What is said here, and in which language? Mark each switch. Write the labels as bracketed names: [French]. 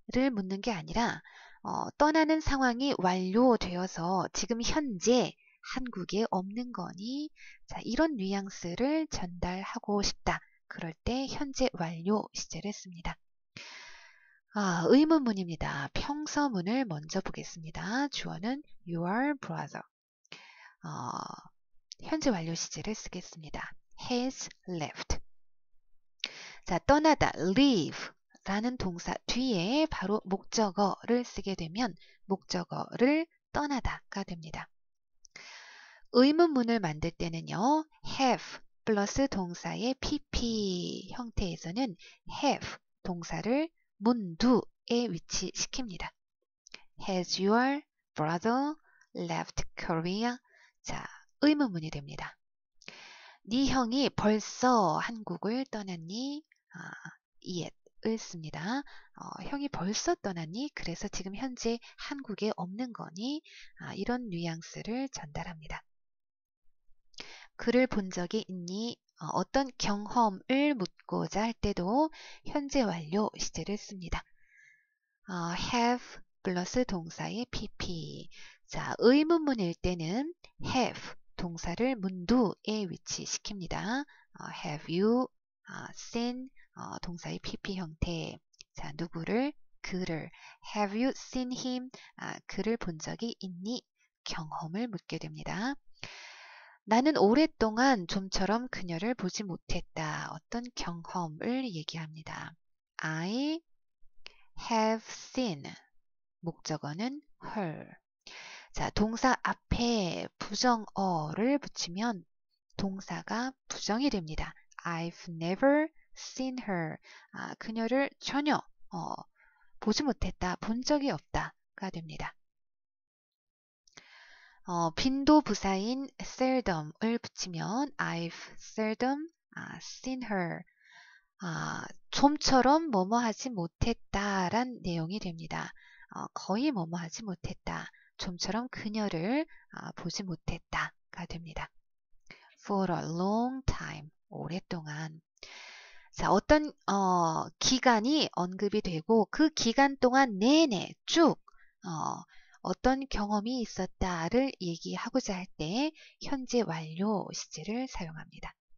[Korean] 를 묻는 게 아니라 떠나는 상황이 완료되어서 지금 현재 한국에 없는 거니? 자, 이런 뉘앙스를 전달하고 싶다. 그럴 때 현재 완료 시제를 씁니다. 의문문입니다. 평서문을 먼저 보겠습니다. 주어는 [English] your brother. [Korean] 현재 완료 시제를 쓰겠습니다. [English] has left. [Korean] 자, 떠나다 leave 라는 동사 뒤에 바로 목적어를 쓰게 되면 목적어를 떠나다가 됩니다. 의문문을 만들 때는요. have 플러스 동사의 pp 형태에서는 have 동사를 문두에 위치시킵니다. [English] Has your brother left Korea? [Korean] 자, 의문문이 됩니다. 네 형이 벌써 한국을 떠났니? yet 을 씁니다. 형이 벌써 떠났니? 그래서 지금 현재 한국에 없는 거니? 이런 뉘앙스를 전달합니다. 그를 본 적이 있니? 어떤 경험을 묻고자 할 때도 현재 완료 시제를 씁니다. have 플러스 동사의 pp. 자, 의문문일 때는 have 동사를 문두에 위치시킵니다. [English] have you seen [Korean] 동사의 pp 형태. 자, 누구를? 그를. [English] Have you seen him? [Korean] 그를 본 적이 있니? 경험을 묻게 됩니다. 나는 오랫동안 좀처럼 그녀를 보지 못했다. 어떤 경험을 얘기합니다. [English] I have seen. [Korean] 목적어는 [English] her. [Korean] 자, 동사 앞에 부정어를 붙이면 동사가 부정이 됩니다. [English] I've never seen her. [Korean] 그녀를 전혀 보지 못했다. 본 적이 없다가 됩니다. 빈도 부사인 seldom을 붙이면 [English] I've seldom seen her. [Korean] 좀처럼 뭐뭐 하지 못했다란 내용이 됩니다. 거의 뭐뭐 하지 못했다. 좀처럼 그녀를 보지 못했다가 됩니다. [English] For a long time. [Korean] 오랫동안. 자, 어떤 기간이 언급이 되고 그 기간 동안 내내 쭉 어떤 경험이 있었다를 얘기하고자 할 때 현재 완료 시제를 사용합니다.